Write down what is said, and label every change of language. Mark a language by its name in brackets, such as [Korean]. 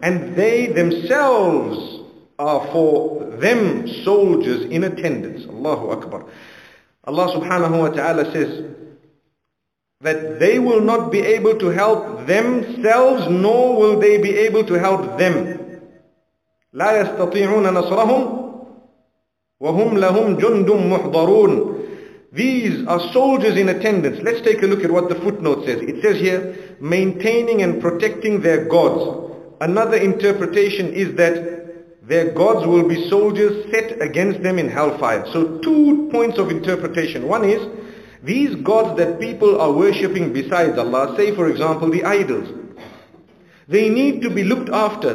[English] And they themselves are for them soldiers in attendance. Allahu Akbar. Allah subhanahu wa ta'ala says that they will not be able to help themselves, nor will they be able to help them. [Arabic] لا يستطيعون نصرهم وهم لهم جند محضرون. [English] These are soldiers in attendance. Let's take a look at what the footnote says. It says here, maintaining and protecting their gods. Another interpretation is that their gods will be soldiers set against them in hellfire. So two points of interpretation. One is, these gods that people are worshipping besides Allah, say for example the idols, they need to be looked after.